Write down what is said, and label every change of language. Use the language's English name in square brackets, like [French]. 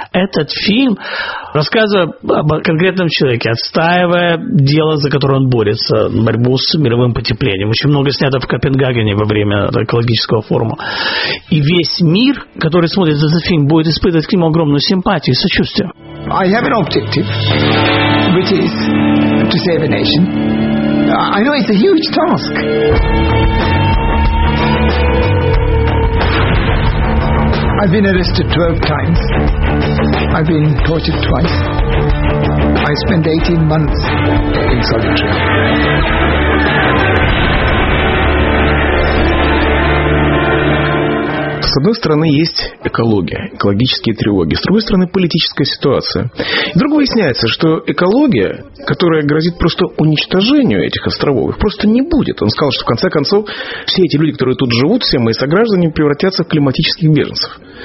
[Russian] Этот фильм, рассказывая об конкретном человеке, отстаивая дело, за которое он борется, борьбу с мировым потеплением. Очень много снято в Копенгагене во время экологического форума. И весь мир, который смотрит этот фильм, будет испытывать к нему огромную симпатию и сочувствие. [English] I have an objective, which is to save a nation. I know it's a huge task. I've been arrested 12 times. I've been tortured twice. I spent 18 months in solitary. [Russian] С одной стороны, есть экология, экологические тревоги. С другой стороны, политическая ситуация. И вдруг выясняется, что экология, которая грозит просто уничтожению этих островов, их просто не будет. Он сказал, что в конце концов, все эти люди, которые тут живут, все мои сограждане, превратятся в климатических беженцев.